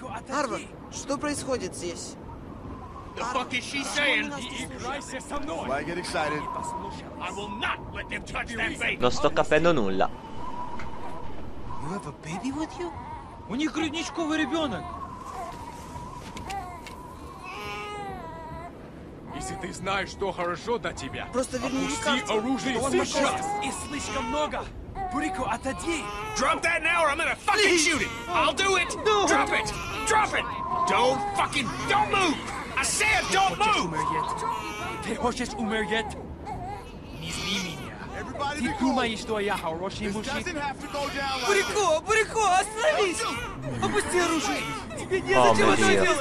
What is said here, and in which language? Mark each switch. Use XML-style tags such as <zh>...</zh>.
<ru>Арво, что происходит здесь?</ru> <en>The fuck is she saying?</en> <ru>Играйся со мной!</ru> <en>Why get excited? I will not let them touch that baby!</en> <it>Non sto capendo nulla.</it> <en>You have a baby with you?</en> <ru>У них грудничковый ребенок. Если ты знаешь, что хорошо для тебя, просто верни опусти оружие сейчас. И слишком много. Бурико, отойди.</ru> <en>Drop that now or I'm gonna fucking shoot it. I'll do it. No. Drop it. Drop it. Don't fucking, don't move. I said don't move.</en> <ru>Ты хочешь умереть? Не зли меня. Ты думаешь, что я хороший мужчина? Бурико, Бурико, остановись! Опусти оружие! Тебе не зачем это делать!</ru>